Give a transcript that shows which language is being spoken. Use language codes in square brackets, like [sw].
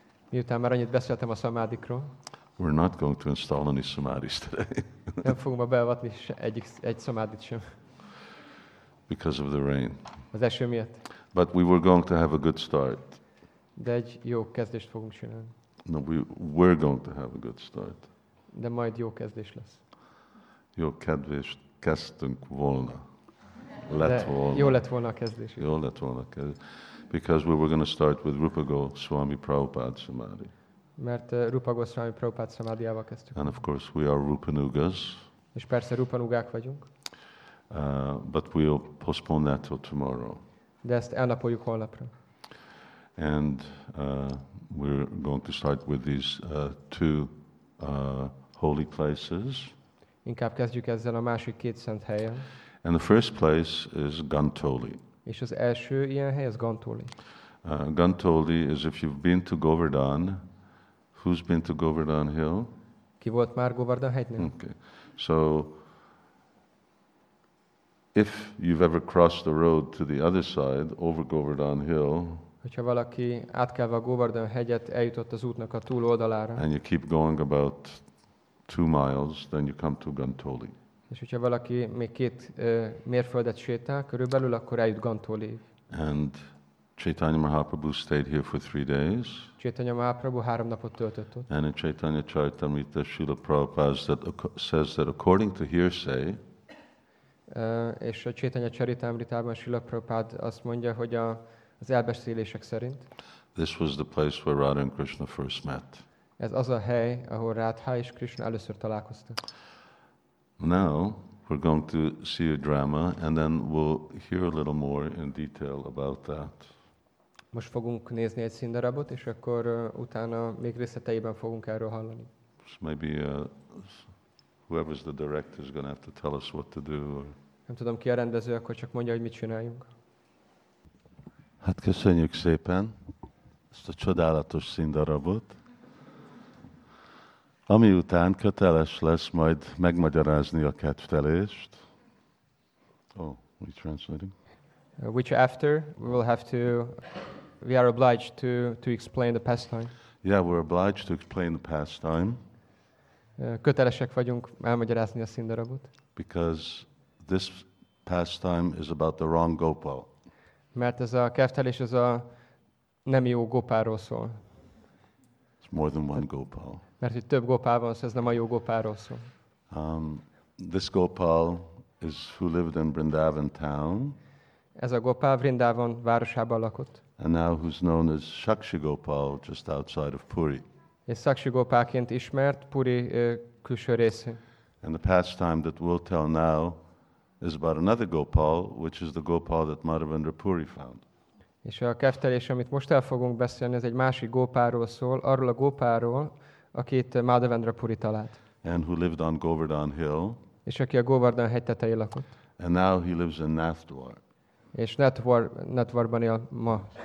[hu] miután már annyit beszéltem a szamádikról, [en] we're not going to install any samadhis today. [hu] Nem fogunk ma beavatni egy szamádit sem. [en] Because of the rain. [hu] Az eső miatt. [en] But we were going to have a good start. [hu] De egy jó kezdést fogunk csinálni. [en] No, we were going to have a good start. [hu] De majd jó kezdés lesz. Jó kezdést kezdtünk volna. Lett volna. Jó lett volna a kezdés. Jó lett volna a kezdés. [en] Because we were going to start with Rupa Goswami Prabhupada Samadhi. [hu] Mert Rupa Goswami Prabhupada Samadhiával kezdtük. [en] And of course we are Rupanugas. [hu] És persze Rupanugák vagyunk. [en] But we'll postpone that till tomorrow. [hu] De ezt elnapoljuk holnapra. [en] And we're going to start with these two holy places. [hu] Inkább kezdjük ezzel a másik két szent helyen. [en] And the first place is Gantoli. [hu] És az első ilyen hely az Gantoli. [en] Gantoli is, if you've been to Govardhan, who's been to Govardhan Hill? [hu] Ki volt már Govardhan hegynél? [en] Okay. So if you've ever crossed the road to the other side over Govardhan Hill, [hu] hogyha valaki átkelve a Govardhan hegyet eljutott az útnak a túloldalára, [en] and you keep going about 2 miles, then you come to Gantoli. [hu] És hogyha valaki még két mérföldet sétál körülbelül, akkor eljut Gantolig. [en] And Chaitanya Mahaprabhu stayed here for 3 days. [hu] Chaitanya Mahaprabhu 3 napot töltött ott. [en] And in Chaitanya Charitamrita, Srila Prabhupada says that according to hearsay, [hu] és a Chaitanya Charitamritában Srila Prabhupada azt mondja, hogy az elbeszélések szerint, [en] this was the place where Radha and Krishna first met. [hu] Ez az a hely, ahol Radha és Krishna először találkoztak. [en] Now we're going to see a drama, and then we'll hear a little more in detail about that. [hu] Most fogunk nézni egy színdarabot, és akkor utána még részleteiben fogunk erről hallani. [en] So maybe whoever's the director is going to have to tell us what to do. Or... [hu] Nem tudom ki a rendező, akkor csak mondja, hogy mit csináljunk. Hát köszönjük szépen ezt a csodálatos színdarabot. Ami után köteles lesz majd megmagyarázni a kedvtelést. [en] Oh, we translating? Which after we will have to, we are obliged to explain the pastime. Yeah, we're obliged to explain the pastime. [hu] Kötelesek vagyunk elmagyarázni a színdarabot. [en] Because this pastime is about the wrong gopal. [hu] Mert ez a kedvtelés az a nem jó gopáról szól. [en] It's more than one gopal. [hu] Mert itt több gopál van, szóval ez nem a jó gopáról szól. [en] This gopal is who lived in Vrindavan town. [hu] Ez a gopál Vrindavan városában lakott. [en] And now who's known as Sakshi Gopal just outside of Puri. [hu] És Sakshi Gopalként ismert Puri külső részén. [en] And the pastime that we'll tell now is about another gopal, which is the gopal that Madhavendra Puri found. [hu] És a keftelés, amit most el fogunk beszélni, ez egy másik gopáról szól, arról a gopáról, akit Madhavendra Puri talált. [en] And who lived on Govardhan Hill. [hu] És aki a Govardhan hegy tetején lakott. [en] And now he lives in Nathdwar. [hu] És Nathdwarban él ma.